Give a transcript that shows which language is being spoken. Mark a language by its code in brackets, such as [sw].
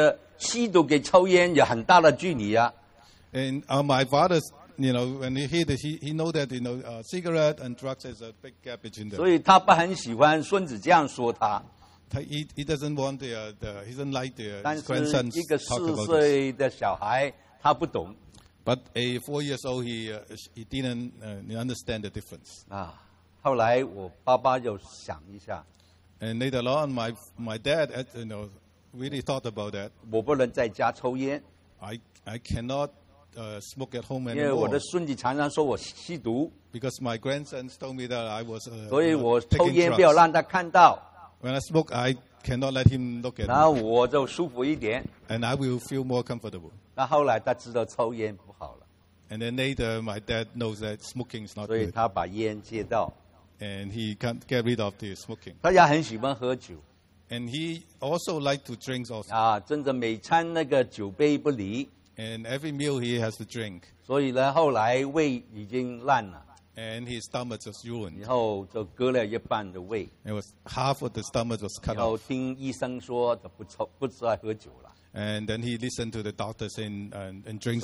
[zh] 所以我的爸爸听到这个吸毒给抽烟有很大的距离啊。 [en] And my father, you know, when he hit, he know that you know, cigarette and drugs is a big gap between them. [zh] 所以他不很喜欢孙子这样说他。 [en] He doesn't want he doesn't like the grandsons talking about this. [zh] 但是一个四岁的小孩他不懂。 [en] But a 4 years old, he didn't understand the difference. [zh] 后来我爸爸就想一下, [en] and later on, my dad, you know, really thought about that. [zh] 我不能在家抽烟, [en] I cannot smoke at home anymore. [zh] 因为我的孙子常常说我吸毒, [en] because my grandsons told me that I was [zh] 所以我抽烟不要让他看到。 [en] When I smoke, I cannot let him look at me. [zh] 然后我就舒服一点, [en] and I will feel more comfortable. [zh] 那后来他知道抽烟不好了。 [en] And then later, my dad knows that smoking is not good. [zh] 所以他把烟戒掉。 [en] And he can't get rid of the smoking. [zh] 他也很喜欢喝酒。 [en] And he also liked to drink also. [zh] 真的每餐那个酒杯不离。 [en] And every meal he has to drink. [zh] 所以呢，后来胃已经烂了。 [en] And his stomach was ruined. [zh] 以后就割了一半的胃。 [en] It was half of the stomach was cut off. [zh] 然后听医生说，不再喝酒了。 [en] And then he listened to the doctor saying, and drinks